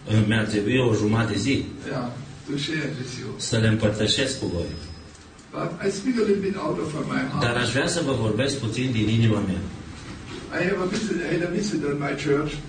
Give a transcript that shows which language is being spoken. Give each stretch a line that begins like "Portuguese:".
Romanian: Mi-a trebuit o jumătate zi.
English: Yeah, to share with you.
Romanian: Să le împărtășesc cu voi.
English: But I speak a little bit out of my heart.
Romanian: Dar aș vrea să vă vorbesc puțin din inima mea.
English: I have a visit, I had a visit in my church.